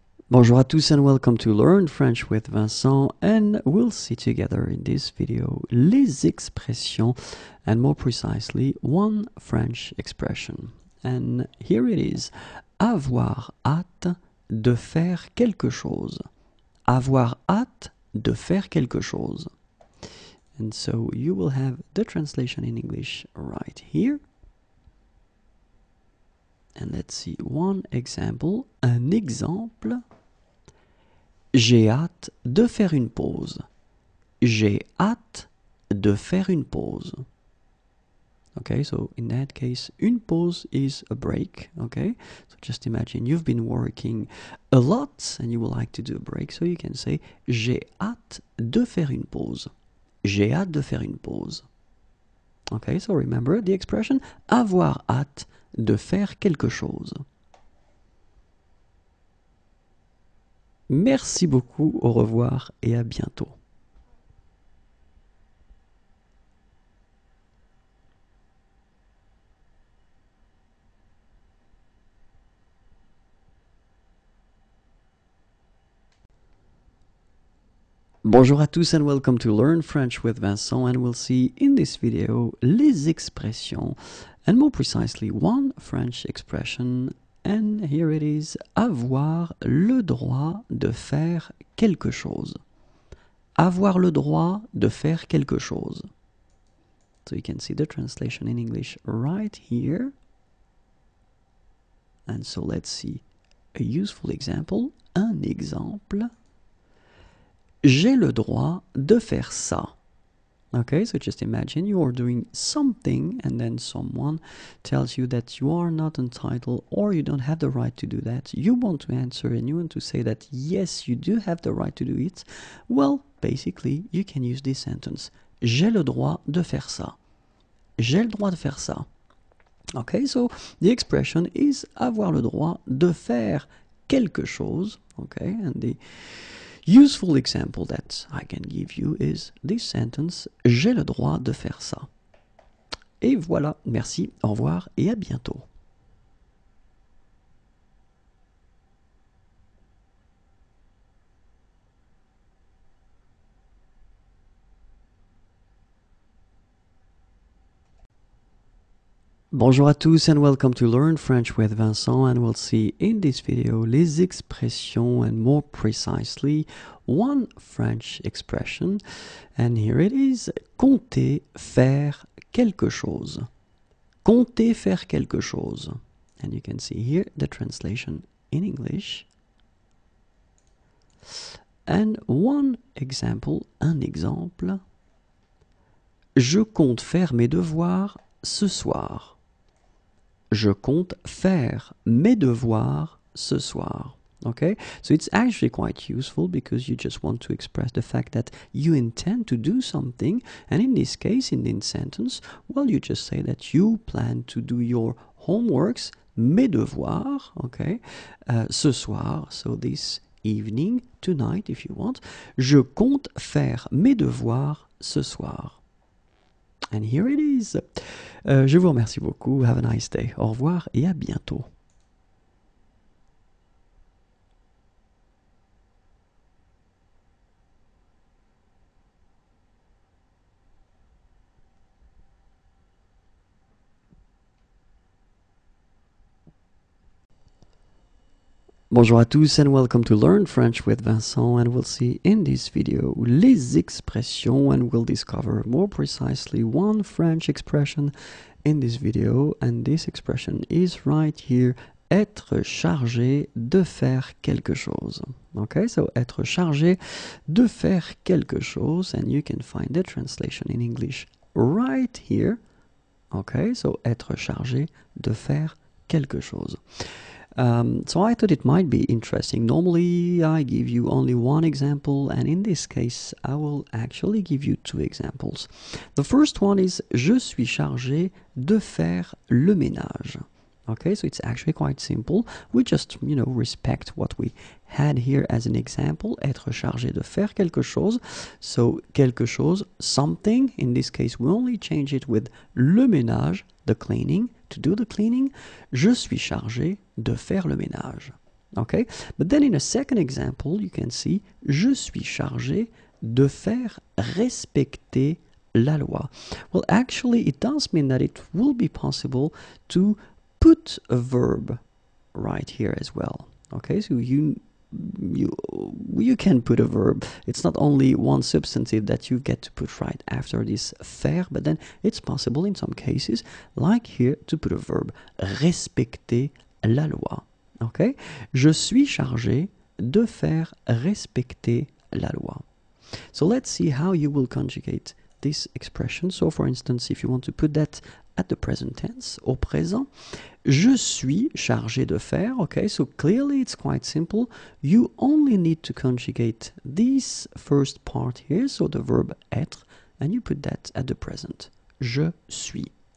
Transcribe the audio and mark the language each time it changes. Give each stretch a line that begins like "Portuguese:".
French: Bonjour à tous
English: and welcome to Learn French with Vincent, and we'll see together in this video
French: les expressions
English: and more precisely one French expression. And here it is,
French: avoir hâte de faire quelque chose. Avoir hâte de faire quelque chose.
English: And so you will have the translation in English right here. And let's see one example,
French: un exemple. J'ai hâte de faire une pause. J'ai hâte de faire une pause.
English: Okay, so in that case, une pause is a break. Okay, so just imagine you've been working a lot and you would like to do a break. So you can say,
French: j'ai hâte de faire une pause. J'ai hâte de faire une pause.
English: Okay, so remember the expression,
French: avoir hâte de faire quelque chose. Merci beaucoup, au revoir et à bientôt. Bonjour à tous
English: and welcome to Learn French with Vincent, and we'll see in this video
French: les expressions
English: and more precisely one French expression. And here it is,
French: avoir le droit de faire quelque chose. Avoir le droit de faire quelque chose.
English: So you can see the translation in English right here. And so let's see a useful example,
French: un exemple. J'ai le droit de faire ça.
English: Okay, so just imagine you are doing something and then someone tells you that you are not entitled or you don't have the right to do that. You want to answer and you want to say that yes, you do have the right to do it. Well, basically, you can use this sentence.
French: J'ai le droit de faire ça. J'ai le droit de faire ça.
English: Okay, so the expression is
French: avoir le droit de faire quelque chose.
English: Okay, and the useful example that I can give you is this sentence,
French: j'ai le droit de faire ça. Et voilà, merci, au revoir et à bientôt. Bonjour à tous
English: and welcome to Learn French with Vincent, and we'll see in this video
French: les expressions
English: and more precisely one French expression. And here it is,
French: compter faire quelque chose. Compter faire quelque chose.
English: And you can see here the translation in English. And one example,
French: un exemple. Je compte faire mes devoirs ce soir. Je compte faire mes devoirs ce soir.
English: Okay, so it's actually quite useful because you just want to express the fact that you intend to do something. And in this case, in this sentence, well, you just say that you plan to do your homeworks, mes devoirs, okay, ce soir. So this evening, tonight, if you want.
French: Je compte faire mes devoirs ce soir.
English: And here it is.
French: Je vous remercie beaucoup.
English: Have a nice day.
French: Au revoir et à bientôt. Bonjour à tous
English: and welcome to Learn French with Vincent, and we'll see in this video
French: les expressions
English: and we'll discover more precisely one French expression in this video, and this expression is right here,
French: être chargé de faire quelque chose.
English: Okay, so
French: être chargé de faire quelque chose,
English: and you can find the translation in English right here. Okay, so
French: être chargé de faire quelque chose.
English: So I thought it might be interesting. Normally I give you only one example, and in this case I will actually give you two examples. The first one is
French: je suis chargé de faire le ménage.
English: Okay, so it's actually quite simple. We just, you know, respect what we had here as an example,
French: être chargé de faire quelque chose.
English: So quelque chose, something, in this case we only change it with le ménage, the cleaning, to do the cleaning.
French: Je suis chargé de faire le ménage.
English: Okay, but then in a second example you can see
French: je suis chargé de faire respecter la loi.
English: Well, actually it does mean that it will be possible to put a verb right here as well. Okay, so you can put a verb. It's not only one substantive that you get to put right after this faire, but then it's possible in some cases, like here, to put a verb.
French: Respecter la loi. Okay? Je suis chargé de faire respecter la loi.
English: So let's see how you will conjugate this expression. So for instance, if you want to put that at the present tense,
French: au présent, je suis chargé de faire.
English: Okay, so clearly it's quite simple. You only need to conjugate this first part here, so the verb être, and you put that at the present.
French: Je suis.